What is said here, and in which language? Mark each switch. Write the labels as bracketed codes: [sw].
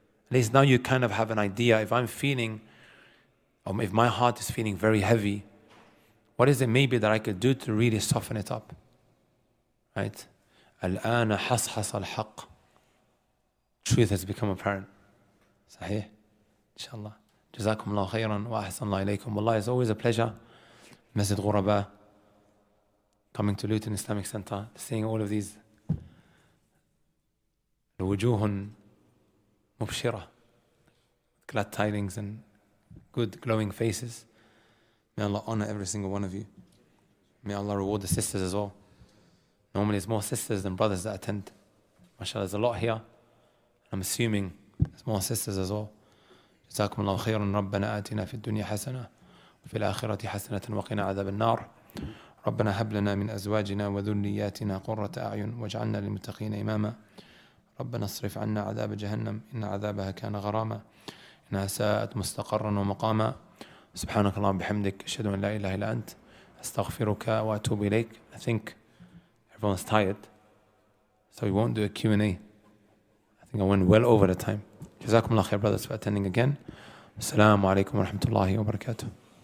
[en] At least now you kind of have an idea. If I'm feeling, if my heart is feeling very heavy, what is it maybe that I could do to really soften it up? Right? [ar] الآن حصحص الحق. [en] Truth has become apparent. [ar] صحيح؟ [en] Inshallah. [ar] جزاكم الله خيرا وأحسن الله إليكم. والله, [en] it's always a pleasure. [ar] مسجد غرباء. [en] Coming to Luton Islamic Center. Seeing all of these. [ar] الوجوه مبشرة. [en] Glad tidings and good glowing faces. May Allah honor every single one of you. May Allah reward the sisters as well. Normally there's more sisters than brothers that attend. MashaAllah, there's a lot here. I'm assuming there's more sisters as well. [ar] جزاكم الله خيرا ربنا آتنا في الدنيا حسنة وفي الآخرة حسنة وقنا عذاب النار ربنا هب لنا من أزواجنا وذرياتنا قرة أعين واجعلنا للمتقين إماما ربنا اصرف عنا عذاب جهنم إن عذابها كان غراما إنها ساءت مستقرا ومقاما سبحانك اللهم بحمدك أشهد أن لا إله إلا أنت أستغفرك وأتوب إليك. [en] I think everyone's tired, so we won't do a Q&A. I think I went well over the time. Jazakum Allah khair, brothers, for attending again. Assalamu alaikum wa rahmatullahi wa barakatuh.